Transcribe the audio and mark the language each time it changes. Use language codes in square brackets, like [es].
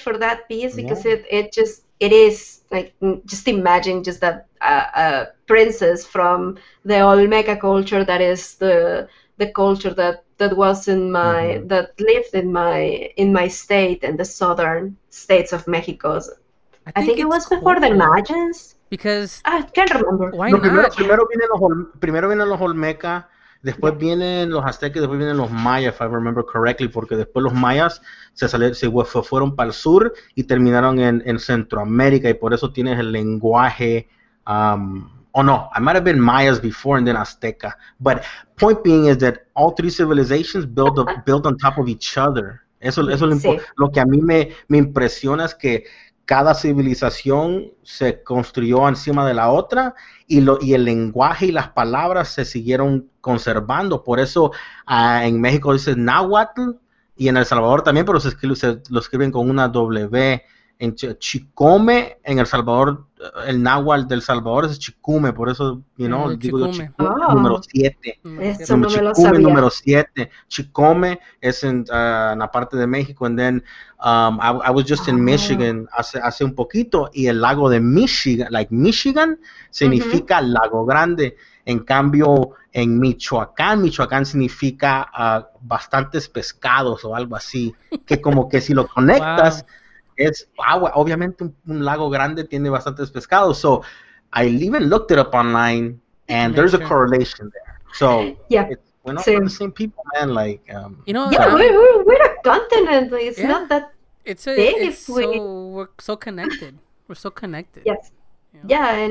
[en] for that piece because it is like just imagine just that a princess from the Olmeca culture that is the culture that was in my mm-hmm. that lived in my state and the southern states of Mexico. I think it was cool. Before the Mayans. Because I can't remember. Why [es] no, primero vienen los Olmeca. Después vienen los aztecas, después vienen los mayas, [en] if I remember correctly, [es] porque después los mayas se fueron para el sur y terminaron en Centroamérica, y por eso tienes el lenguaje, [en] I might have been mayas before and then azteca. But point being is that all three civilizations build on top of each other. [es] Eso sí. Lo que a mí me impresiona es que cada civilización se construyó encima de la otra y el lenguaje y las palabras se siguieron conservando. Por eso en México dice náhuatl y en El Salvador también, pero lo escriben con una W. En chicome, en El Salvador, el náhuatl del Salvador es chicume. Por eso, you know, digo yo chicume, número 7. Eso no me lo sabía. Chicume, número 7. Chicome es en la parte de México. [en] And then I was just in Michigan [es] hace un poquito. Y el lago de Michigan, like Michigan, significa mm-hmm. lago grande. En cambio, en Michoacán significa bastantes pescados o algo así. Que como que si lo conectas... wow. Es agua, obviamente un lago grande tiene bastantes pescados. [en] So I even looked it up online and there's a correlation there. So we're not the same people, man. Like, you know, we're a continent. It's not that It's a, big it's if we... so, we're so connected. We're so connected. Yes. Yeah.